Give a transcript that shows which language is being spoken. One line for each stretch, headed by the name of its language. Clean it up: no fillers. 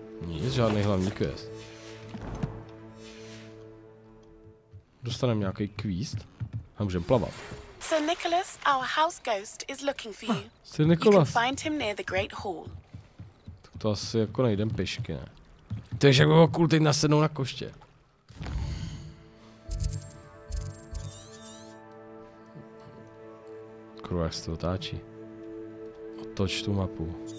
Czech: Žádný hlavní quest. Dostaneme nějaký quest a můžeme plavat.
English: Sir Nicholas, our house ghost is looking for you. Sir Nicholas. You can find him near the great hall.
Czech: Tak to asi jako najdem pěšky, ne? To je, že by bylo cool teď nasednout na koště. Kurva, jak se to otáčí. Otoč tu mapu.